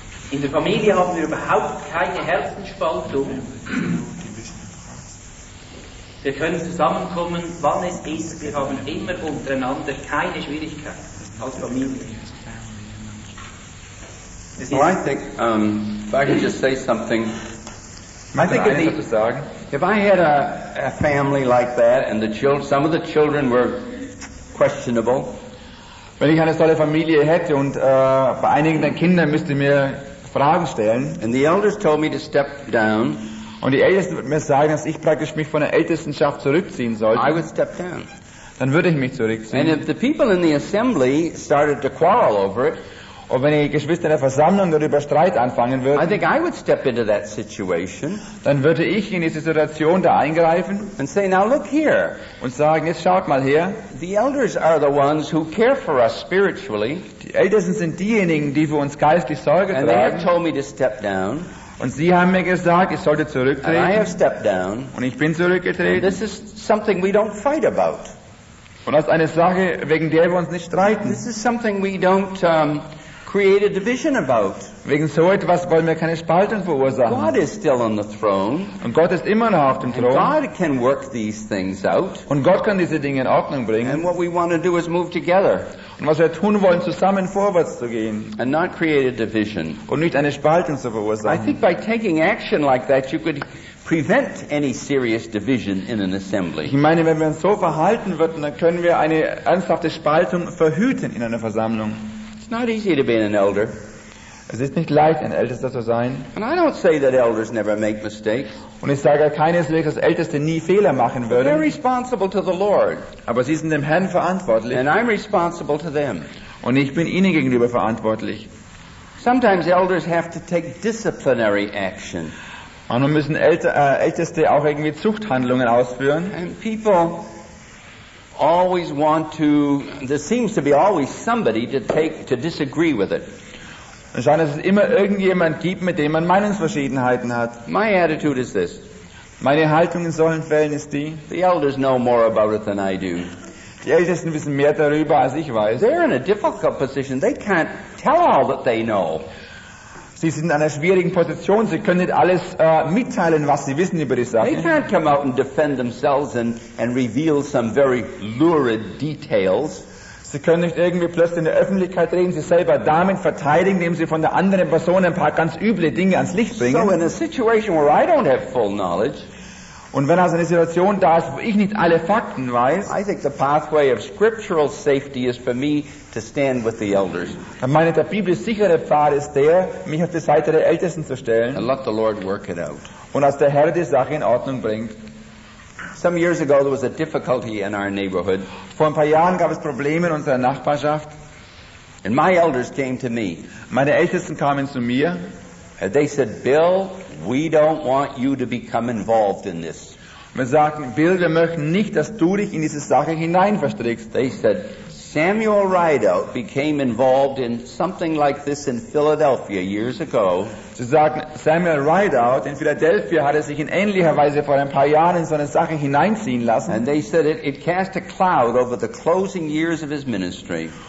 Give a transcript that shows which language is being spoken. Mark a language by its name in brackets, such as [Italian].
[German] In der Familie haben wir überhaupt keine Herzensspaltung. Wir können zusammenkommen, wann es ist, wir haben immer untereinander keine Schwierigkeit als Familie. [English] Well, I think, if I could just say something, if I had a family like that, and some of the children were questionable, [German] wenn ich eine solche Familie hätte und bei einigen der Kinder müsste mir Fragen stellen, [English] and the elders told me to step down, [German] und die Ältesten würden mir sagen, dass ich praktisch mich von der Ältestenschaft zurückziehen sollte, [English] I would step down. [German] Dann würde ich mich zurückziehen. [English] And if the people in the assembly started to quarrel over it, [German] und wenn die Geschwister in der Versammlung darüber Streit anfangen würden, [English] I think I would step into that situation, [German] dann würde ich in diese Situation da eingreifen [English] and say, now look here, [German] und sagen, jetzt schaut mal her, [English] the elders are the ones who care for us spiritually, [German] die Ältesten sind diejenigen, die für uns geistlich Sorge [English] and they have told me to step down, [German] und sie haben mir gesagt, ich sollte zurücktreten, [English] and I have stepped down, [German] und ich bin zurückgetreten. [English] And this is something we don't fight about. [German] Und das ist eine Sache, wegen der wir uns nicht streiten. [English] This is something we don't create a division about. [German] Wegen so etwas wollen wir keine Spaltung verursachen. [English] God is still on the throne. [German] Und Gott ist immer noch auf dem Thron. [English] God can work these things out. [German] Und Gott kann diese Dinge in Ordnung bringen. [English] And what we want to do is move together. [German] Und was wir tun wollen, zusammen vorwärts zu gehen. [English] And not create a division. [German] Und nicht eine Spaltung zu verursachen. [English] I think by taking action like that, you could prevent any serious division in an assembly. [German] Ich meine, wenn wir uns so verhalten würden, dann können wir eine ernsthafte Spaltung verhüten in einer Versammlung. [English] Not easy to be an elder. [German] Es ist nicht leicht, ein Ältester zu sein. [English] And I don't say that elders never make mistakes. [German] Und ich sage keineswegs, dass Älteste nie Fehler machen würden. [English] They're responsible to the Lord. [German] Aber sie sind dem Herrn verantwortlich. [English] And I'm responsible to them. [German] Und ich bin ihnen gegenüber verantwortlich. [English] Sometimes elders have to take disciplinary action. [German] Und dann müssen Älteste auch irgendwie Zuchthandlungen ausführen. [English] And people always want to, there seems to be always somebody to disagree with it. [German] Es scheint, dass es immer irgendjemand gibt, mit dem man Meinungsverschiedenheiten hat. [English] My attitude is this. [German] Meine Haltung in solchen Fällen ist die. [English] The elders know more about it than I do. [German] Die Ältesten wissen mehr darüber, als ich weiß. [English] They're in a difficult position. They can't tell all that they know. [German] Sie sind in einer schwierigen Position. Sie können nicht alles mitteilen, was sie wissen über die Sache. [English] They can't come out and defend themselves and reveal some very lurid details. [German] Sie können nicht irgendwie plötzlich in der Öffentlichkeit reden, sich selber damit verteidigen, indem sie von der anderen Person ein paar ganz üble Dinge ans Licht bringen. [English] So in a situation where I don't have full knowledge, [German] und wenn also eine Situation da ist, wo ich nicht alle Fakten weiß, [English] I think the pathway of scriptural safety is for me to stand with the elders. [German] Dann meine, der biblisch sichere Pfad ist der, mich auf die Seite der Ältesten zu stellen. [English] And let the Lord work it out. [German] Und als der Herr die Sache in Ordnung bringt. [English] Some years ago there was a difficulty in our neighborhood. [German] Vor ein paar Jahren gab es Probleme in unserer Nachbarschaft. [English] And my elders came to me. [German] Meine Ältesten kamen zu mir. [English] And they said, Bill, we don't want you to become involved in this. [German] Wir sagten, Bill, wir möchten nicht, dass du dich in diese Sache hineinverstrickst. [English] They said, Samuel Rideout became involved in something like this in Philadelphia years ago. [German] Sie sagten, Samuel Rideout in Philadelphia hatte sich in ähnlicher Weise vor ein paar Jahren in so eine Sache hineinziehen lassen. [English] And they said it cast a cloud over the closing years of his ministry.